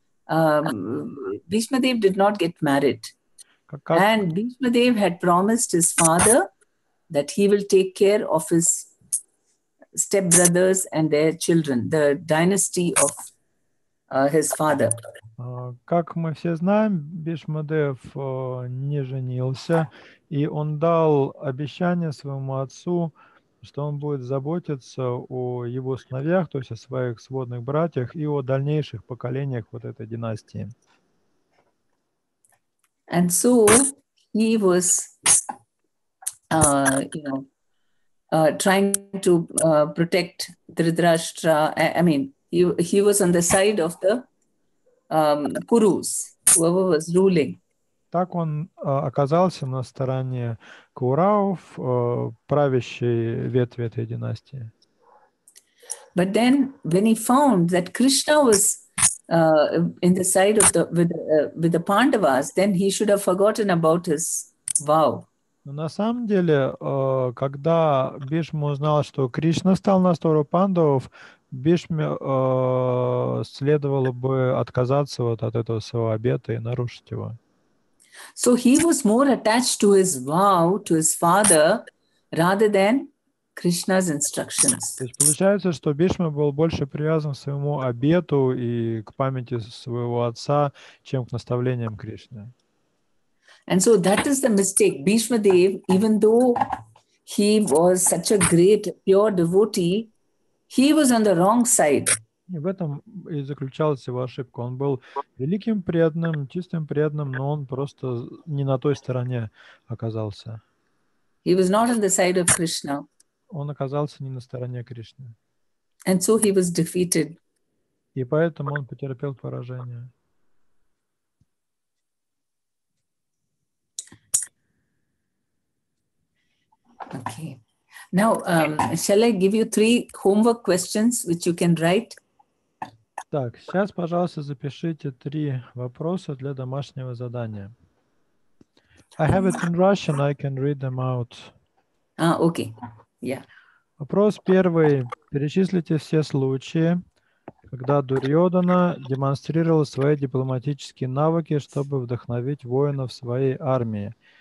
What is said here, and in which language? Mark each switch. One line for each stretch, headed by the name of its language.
English: Bhishma Dev did not get married. And Bhishma Dev had promised his father that he will take care of his stepbrothers and their children, the dynasty of his father.
Russian: Как мы все знаем, Бхишма Дев не женился, и он дал обещание своему отцу, что он будет заботиться о его сыновьях, то есть о своих сводных братьях и о дальнейших поколениях вот этой династии.
English: And so he was, trying to protect Dhritarashtra. He was on the side of the Kurus, whoever was ruling.
Russian: Так он оказался на стороне Кауравов, правящей ветви этой династии.
English: But then, when he found that Krishna was in the side of the with the Pandavas, then he should have forgotten about his vow.
Russian: Но на самом деле, когда Бхишма узнал, что Кришна стал на сторону Пандавов, Бхишме следовало бы отказаться вот от этого своего обета и нарушить его.
English: So he was more attached to his vow, to his father, rather than Krishna's instructions.
Russian: То есть получается, что Бхишма был больше привязан к своему обету и к памяти своего отца, чем к наставлениям Кришны.
English: And so that is the mistake. Bhishma Dev, even though he was such a great pure devotee, he was on the wrong side.
Russian: И в этом и заключалась его ошибка. Он был великим преданным, чистым преданным, но он просто не на той стороне оказался.
English: He was not on the side of Krishna.
Russian: Он оказался не на стороне Кришны.
English: And so he was defeated.
Russian: И поэтому он потерпел поражение.
English: Okay. Now, shall I give you three homework questions which you can write?
Russian: Так, сейчас, пожалуйста, запишите три вопроса для домашнего задания.
English: I have it in Russian, I can read them out. Okay. Yeah.
Russian: Вопрос первый. Перечислите все случаи, когда Дурьодана демонстрировал свои дипломатические навыки, чтобы вдохновить воинов своей армии.